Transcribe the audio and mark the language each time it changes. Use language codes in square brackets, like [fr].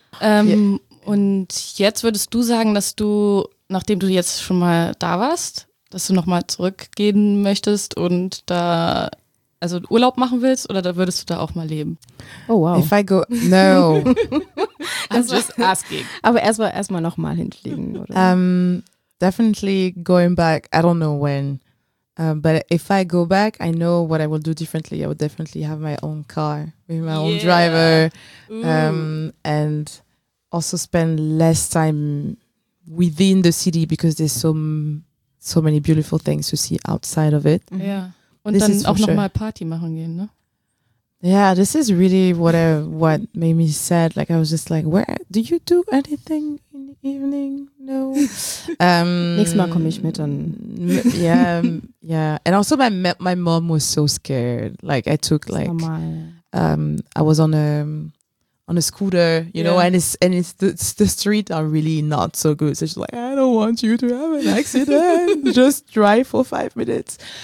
[de] Und jetzt würdest du sagen, dass du, nachdem du jetzt schon mal da warst, dass du nochmal zurückgehen möchtest und da, also Urlaub machen willst, oder da würdest du da auch mal leben? [en] Oh wow. If I go, no. I'm just asking. [de] Aber erstmal nochmal hinfliegen, oder? [en] Definitely going back, I don't know when. But if I go back, I know what I will do differently. I would definitely have my own car with my own driver. And also spend less time within the city, because there's so many beautiful things to see outside of it. [de] Yeah. Und this dann auch nochmal Party machen gehen, ne? [en] Yeah, this is really what made me sad. Like, I was just like, where do you do anything in the evening? No. [de] Nächstes Mal komme ich mit und [en] Yeah. And also my mom was so scared. Like, I took like I was on a scooter, you know, and it's the streets are really not so good. So she's like, I don't want you to have an accident. Just drive for 5 minutes.